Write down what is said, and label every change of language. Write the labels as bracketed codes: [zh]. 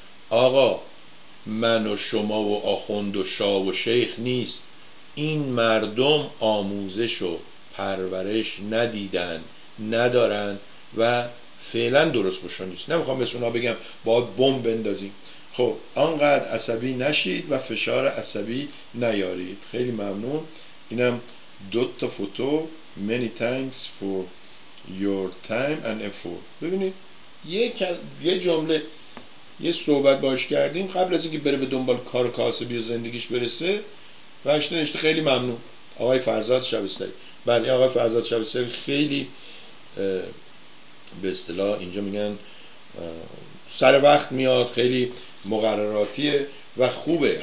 [fa] آقا من و شما و آخوند و شاه و شیخ نیست، این مردم آموزش و پرورش ندیدن ندارن و فعلا درست بشون نیست. نمیخوام مثل اونا بگم باید بمب بندازیم. خب انقدر عصبی نشید و فشار عصبی نیارید. خیلی ممنون. اینم دو تا فوتو. [en] Many thanks for your time and effort. [fa] ببینید یه جمله یه صحبت باش کردیم قبل از اینکه بره به دنبال کار کاسبی و زندگیش برسه بهش نشته خیلی ممنون. آقای فرزاد شبستری، بله آقای فرزاد شبستری خیلی به اصطلاح اینجا میگن سر وقت میاد، خیلی مقرراتیه و خوبه.